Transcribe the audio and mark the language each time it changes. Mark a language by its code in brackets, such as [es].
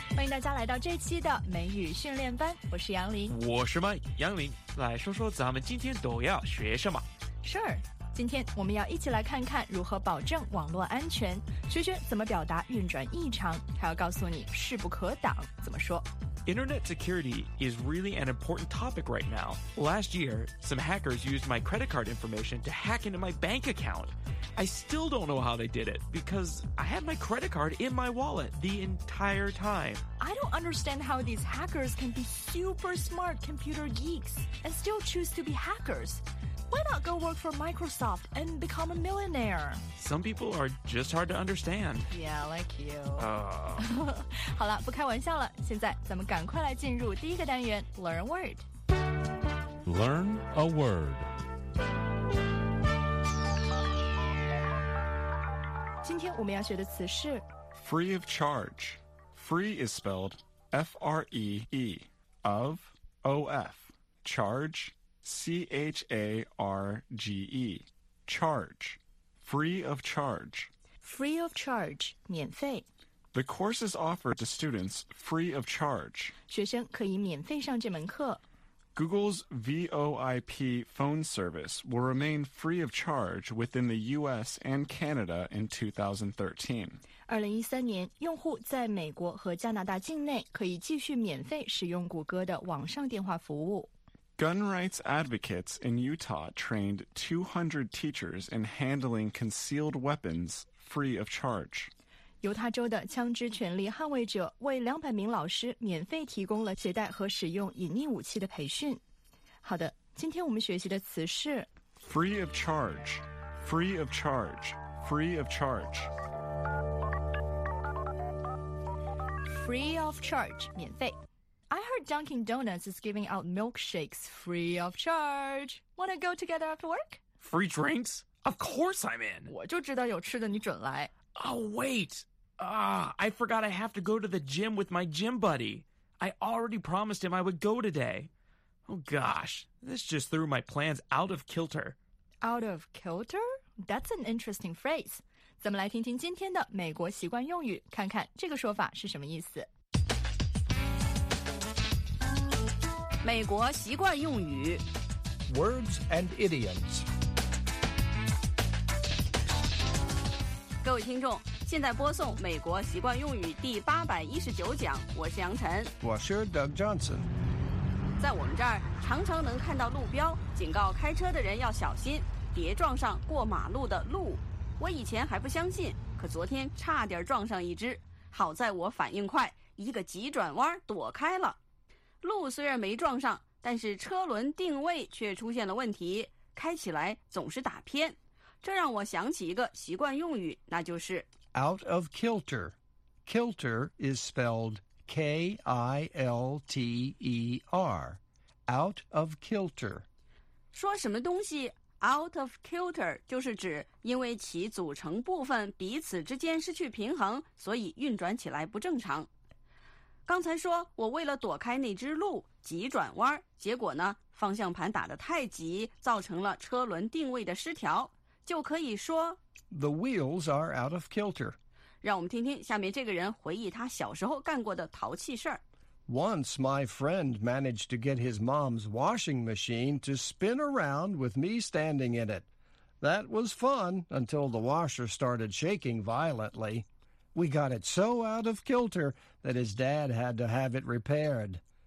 [zh] 大家来到这期的美语训练班，我是杨林。我是麦杨林，来说说咱们今天都要学什么。 Sure，今天我们要一起来看看如何保证网络安全，学学怎么表达运转异常，还要告诉你势不可挡怎么说。 [en] Internet security is really an important topic right now. Last year, some hackers used my credit card information to hack into my bank account. I still don't know how they did it because I had my credit card in my wallet the entire time. I don't understand how these hackers can be super smart computer geeks and still choose to be hackers. Why not go work for Microsoft and become a millionaire? Some people are just hard to understand. Yeah, like you. [zh] 好了，不开玩笑了，现在咱们赶快来进入第一个单元 [en] Learn Word. Learn a word. [zh] 今天我们要学的词是 [en] Free of charge. Free is spelled F-R-E-E. Of, O-F. Charge, C-H-A-R-G-E. Charge. Free of charge. Free of charge, [zh] 免费。 [en] The course is offered to students free of charge. [zh] 学生可以免费上这门课。 [en] Google's VoIP phone service will remain free of charge within the U.S. and Canada in 2013. [zh] 2013年，用户在美国和加拿大境内可以继续免费使用谷歌的网上电话服务。 [en] Gun rights advocates in Utah trained 200 teachers in handling concealed weapons free of charge. [zh] 犹他州的枪支权利捍卫者为200名老师免费提供了携带和使用隐匿武器的培训。好的，今天我们学习的词是 [en] Free of charge, free of charge, free of charge. Free of charge, [zh] 免费。 [en] I heard Dunkin' Donuts is giving out milkshakes free of charge. Wanna go together after work? Free drinks? Of course I'm in. [zh] 我就知道有吃的你准来。 [en] Oh, wait! I forgot I have to go to the gym with my gym buddy. I already promised him I would go today. Oh gosh, this just threw my plans out of kilter. Out of kilter? That's an interesting phrase. [zh] 咱们来听听今天的美国习惯用语，看看这个说法是什么意思。美国习惯用语。 [en] Words and idioms. [zh] 各位听众，现在播送美国习惯用语第819讲，我是杨晨。我是 Doug Johnson。在我们这儿常常能看到路标警告开车的人要小心，别撞上过马路的鹿。我以前还不相信，可昨天差点撞上一只，好在我反应快，一个急转弯躲开了。鹿虽然没撞上，但是车轮定位却出现了问题，开起来总是打偏。这让我想起一个习惯用语，那就是 [en] Out of kilter. Kilter is spelled K-I-L-T-E-R. Out of kilter. [zh] 说什么东西 [en] out of kilter [zh] 就是指因为其组成部分彼此之间失去平衡，所以运转起来不正常。刚才说我为了躲开那只鹿急转弯，结果呢方向盘打得太急，造成了车轮定位的失调，就可以说 [en] The wheels are out of kilter. [zh] 让我们听听下面这个人回忆他小时候干过的淘气事儿。 [en] Once my friend managed to get his mom's washing machine to spin around with me standing in it. That was fun until the washer started shaking violently. We got it so out of kilter that his dad had to have it repaired.